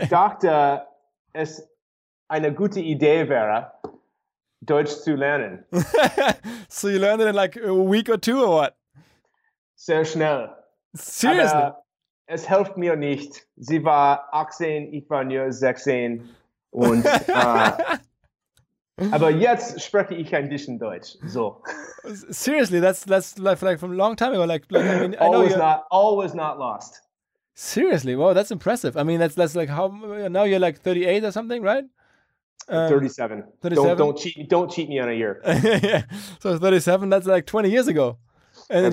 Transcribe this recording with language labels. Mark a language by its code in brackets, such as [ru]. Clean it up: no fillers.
[de] Ich dachte, es eine gute Idee wäre, Deutsch zu lernen. [en] So you learned it in like a week or two or what? [de] Sehr schnell. [en] Seriously? [de] Aber es hilft mir nicht. Sie war 18, ich war nur 16. Und aber jetzt spreche ich ein bisschen Deutsch. [en] So. Seriously, that's like from a long time ago. Like I mean, always not lost. Seriously, wow, that's impressive. I mean, that's like how now you're like 38 or something, right? 37. Don't cheat me on a year. Yeah. So 37, that's like 20 years ago. And